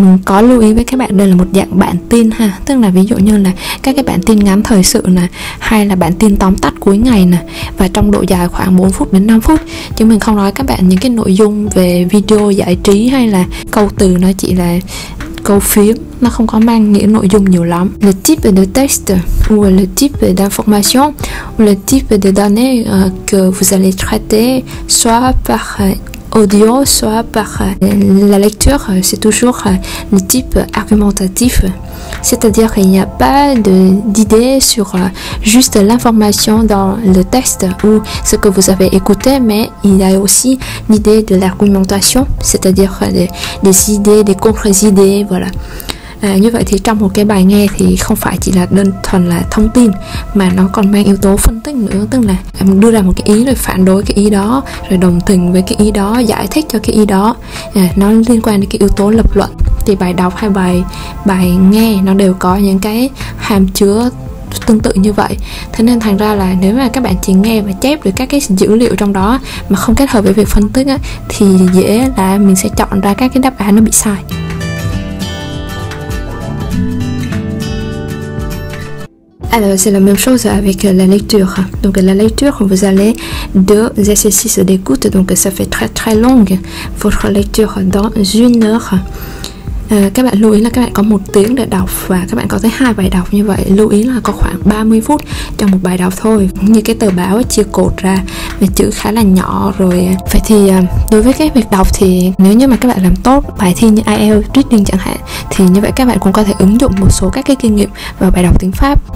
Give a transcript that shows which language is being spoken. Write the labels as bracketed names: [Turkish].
[Vietnamese] Có lưu ý với các bạn đây là một dạng bản tin ha, tức là ví dụ như là các cái bản tin ngắn thời sự nè, hay là bản tin tóm tắt cuối ngày nè, và trong độ dài khoảng 4 phút đến 5 phút. Chứ mình không nói các bạn những cái nội dung về video giải trí hay là câu từ, nó chỉ là câu phím, nó không có mang nghĩa nội dung nhiều lắm. [French] Le type de texte ou le type d'information ou le type de données que vous allez traiter soit par audio soit par la lecture, c'est toujours le type argumentatif. C'est-à-dire qu'il n'y a pas d'idée sur juste l'information dans le texte ou ce que vous avez écouté, mais il y a aussi l'idée de l'argumentation, c'est-à-dire des idées, des contre-idées, voilà. [Vietnamese] Như vậy thì trong một cái bài nghe thì không phải chỉ là đơn thuần là thông tin, mà nó còn mang yếu tố phân tích nữa, tức là đưa ra một cái ý rồi phản đối cái ý đó, rồi đồng tình với cái ý đó, giải thích cho cái ý đó. Nó liên quan đến cái yếu tố lập luận. Thì bài đọc hay bài nghe nó đều có những cái hàm chứa tương tự như vậy. Thế nên thành ra là nếu mà các bạn chỉ nghe và chép được các cái dữ liệu trong đó mà không kết hợp với việc phân tích á, thì dễ là mình sẽ chọn ra các cái đáp án nó bị sai. [French] Alors, c'est la même chose avec la lecture. Donc, la lecture, vous allez deux exercices d'écoute. Donc, ça fait très très long. Votre lecture dans une heure. [Vietnamese] Các bạn lưu ý là các bạn có một tiếng để đọc và các bạn có tới hai bài đọc như vậy. Lưu ý là có khoảng 30 phút trong một bài đọc thôi. Như cái tờ báo chia cột ra và chữ khá là nhỏ rồi. Vậy thì đối với cái việc đọc thì nếu như mà các bạn làm tốt bài thi như IELTS reading chẳng hạn, thì như vậy các bạn cũng có thể ứng dụng một số các cái kinh nghiệm vào bài đọc tiếng Pháp.